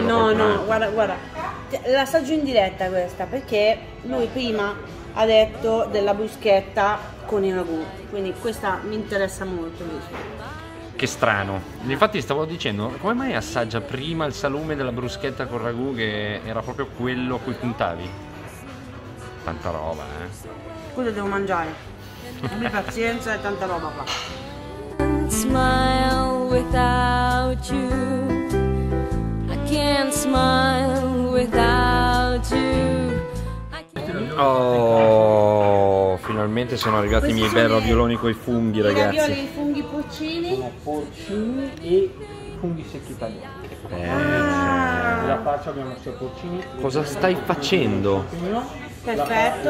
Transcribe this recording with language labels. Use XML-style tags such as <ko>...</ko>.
<it>no, no, guarda, l'assaggio in diretta questa, perché lui prima ha detto della bruschetta con il ragù, quindi questa mi interessa molto. Invece. Che strano, infatti stavo dicendo, come mai assaggia prima il salume della bruschetta con ragù che era proprio quello a cui puntavi? Tanta roba, Cosa devo mangiare? Abbi pazienza, è tanta roba qua.</it> <en>Can't smile without you, I can't smile without you.</en> <it>Oh, finalmente sono arrivati questi i miei bei ravioloni con i funghi, ragazzi. I ravioli, i funghi porcini. Sono porcini e funghi secchi italiani. La pasta abbiamo sia porcini. Cosa stai facendo? Perfetto.</it>